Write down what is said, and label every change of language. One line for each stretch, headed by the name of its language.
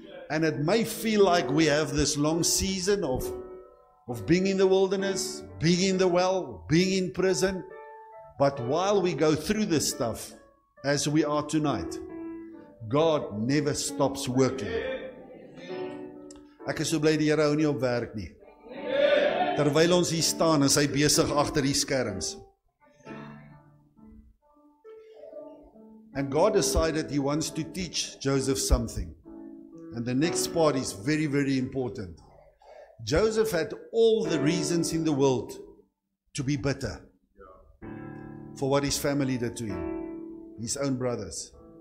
English: And it may feel like we have this long season of being in the wilderness, being in the well, being in prison. But while we go through this stuff, as we are tonight, God never stops working.
Afrikaans: Ek is so bly die Here hou nie op werk nie. Terwyl ons hier staan, is hy besig agter die skerms.
English: And God decided he wants to teach Joseph something. And the next part is very, very important. Joseph had all the reasons in the world to be bitter for what his family did to him, his own brothers.